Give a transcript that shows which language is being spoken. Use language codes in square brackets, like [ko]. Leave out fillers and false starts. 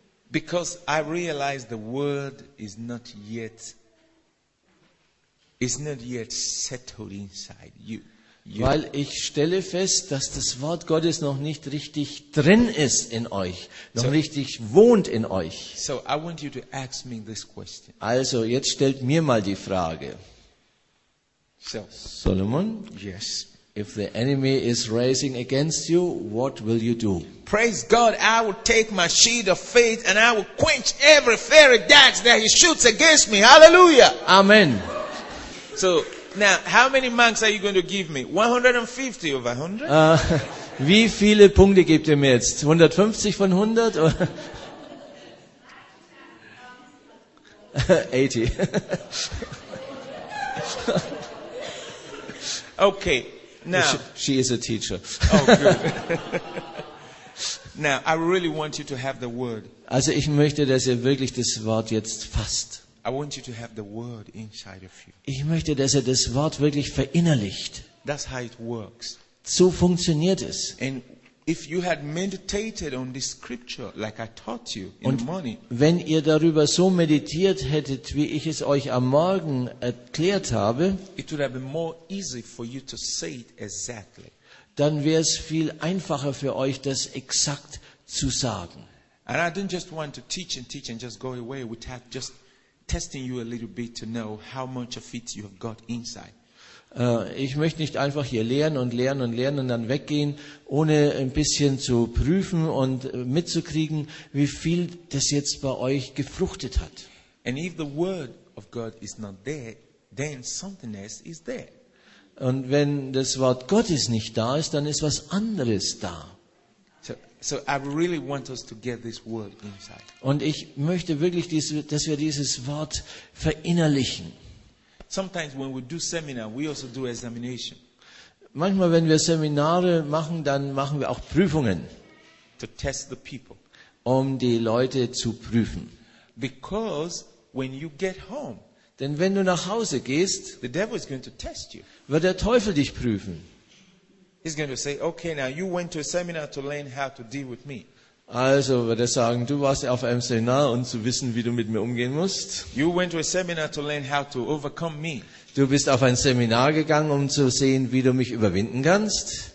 [en] Because I realize the word is not yet settled inside you. [de] Weil ich stelle fest, dass das Wort Gottes noch nicht richtig drin ist in euch, noch so, richtig wohnt in euch. [en] So I want you to ask me this question. [de] Also, jetzt stellt mir mal die Frage. [en] So, Solomon, yes. If the enemy is rising against you, what will you do? Praise God, I will take my shield of faith and I will quench every fiery dart that he shoots against me. Hallelujah. Amen. So, now, how many marks are you going to give me? 150 over 100? [de] Wie viele Punkte gebt ihr mir jetzt? 150 von 100? [en] 80. Okay, now. She is a teacher. Oh, good. Now, I really want you to have the word. [de] Also, ich möchte, dass ihr wirklich das Wort jetzt fasst. [en] I want you to have the word inside of you. [de] Ich möchte, dass er das Wort wirklich verinnerlicht. [en] That's how it works. [de] So funktioniert es. [en] And if you had meditated on this scripture like I taught you in the morning. [de] Und wenn ihr darüber so meditiert hättet, wie ich es euch am Morgen erklärt habe, [en] it would have been more easy for you to say it exactly. [de] Dann wäre es viel einfacher für euch, das exakt zu sagen. [en] And I didn't just want to teach and just go away without just testing you a little bit to know how much of it you have got inside. [de] Ich möchte nicht einfach hier lernen und lernen und lernen und dann weggehen, ohne ein bisschen zu prüfen und mitzukriegen, wie viel das jetzt bei euch gefruchtet hat. [en] And if the word of God is not there, then something else is there. [de] Und wenn das Wort Gottes nicht da ist, dann ist was anderes da. [en] So I really want us to get this word inside. [de] Und ich möchte wirklich, dass wir dieses Wort verinnerlichen. [en] Sometimes when we do seminar, we also do examination. [de] Manchmal, wenn wir Seminare machen, dann machen wir auch Prüfungen. [en] To test the people. [de] Um die Leute zu prüfen. [en] Because when you get home, [de] denn wenn du nach Hause gehst, [en] the devil is going to test you. [de] Wird der Teufel dich prüfen. [en] He's going to say, okay, now you went to a seminar to learn how to deal with me. [de] Also wird er sagen, du warst auf einem Seminar, um zu wissen, wie du mit mir umgehen musst. [en] You went to a seminar to learn how to overcome me. [de] Du bist auf ein Seminar gegangen, um zu sehen, wie du mich überwinden kannst.